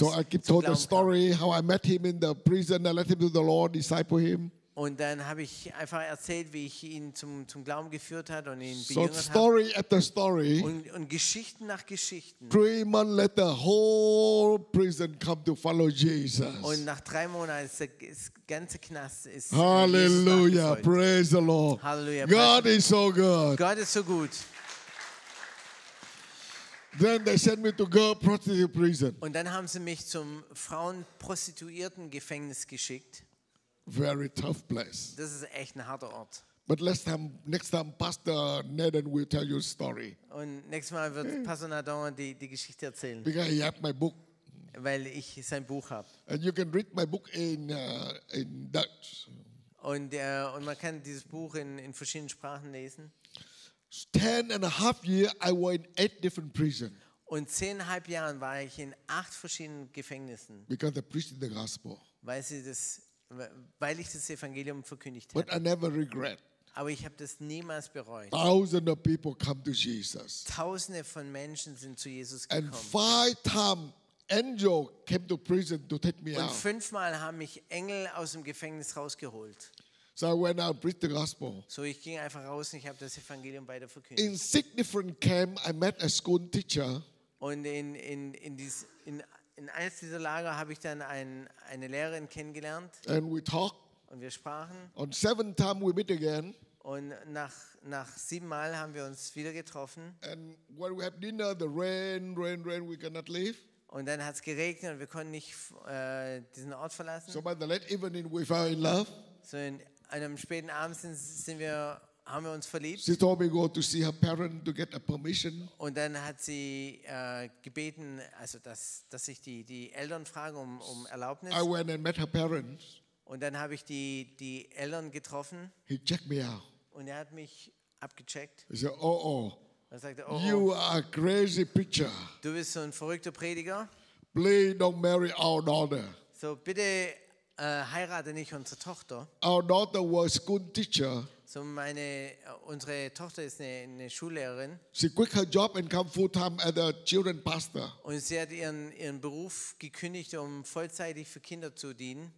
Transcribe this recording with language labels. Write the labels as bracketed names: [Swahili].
[English] So I keep told the story how I met him in the prison. I let him to the Lord, disciple him. [German] Und dann habe ich einfach erzählt, wie ich ihn zum Glauben geführt hat und ihn bejüngert hat. [English] So story after story. [German] Und Geschichten nach Geschichten. [English] 3 months let the whole prison come to follow Jesus. [German] Und nach 3 Monaten ist der ganze Knast ist. [English] Hallelujah, praise the Lord. [German] Hallelujah. [English] God is so good. [German] Gott ist so gut. [English] Then they sent me to girl prostitute prison. [German] Und dann haben sie mich zum Frauenprostituierten Gefängnis geschickt. [English] Very tough place. [German] Das ist echt ein harter Ort. [English] But next time Pastor Nathan will tell you a story. [German] Und nächstes Mal wird Pastor Nathan die Geschichte erzählen. [English] Because he has my book. [German] Weil ich sein Buch habe. [English] And you can read my book in Dutch. [German] Und man kann dieses Buch in verschiedenen Sprachen lesen. [English] 10.5 years I was in 8 different prisons. [German] Und 10.5 Jahren war ich in 8 verschiedenen Gefängnissen. [English] Because I preached the gospel. [German] Weil ich das Evangelium verkündigt habe. [English] But I never regret. [German] Aber ich habe das niemals bereut. [English] Thousands of people come to Jesus. [German] Tausende von Menschen sind zu Jesus gekommen. [English] And 5 times angel came to prison to take me [German] und [English] out. [German] Und 5 Mal haben mich Engel aus dem Gefängnis rausgeholt. [English] So I went out and preached the gospel. [German] So ich ging einfach raus und ich habe das Evangelium weiter verkündigt. [English] In 6 different camps I met a school teacher. [German] Und in eines dieser Lager habe ich dann eine Lehrerin kennengelernt. [English] And we talk. [German] Und wir sprachen. [English] And 7 times we meet again. [German] Und nach 7 Mal haben wir uns wieder getroffen. [English] And when we have dinner, the rain, we cannot leave. [German] Und dann hat es geregnet und wir konnten nicht diesen Ort verlassen. [English] So by the late evening we fell in love. [German] So in einem späten Abend haben wir uns verliebt. [English] She told me go to see her parents to get a permission. [German] Und dann hat sie gebeten, also dass ich die Eltern frage um Erlaubnis. [English] I went and met her parents. [German] Und dann habe ich die Eltern getroffen. [English] He checked me out. [German] Und hat mich abgecheckt. [English] He said, oh oh. [German] Er sagte, oh, [English] you are a crazy preacher. [German] Du bist so ein verrückter Prediger. [English] Please don't marry our daughter. [German] So bitte heirate nicht unsere Tochter. [English] Our daughter was a school teacher. [German] So unsere Tochter ist eine Schullehrerin. [English] She quit her job and came full time as a children pastor. [German] Und sie hat ihren Beruf gekündigt, um vollzeitig für Kinder zu dienen.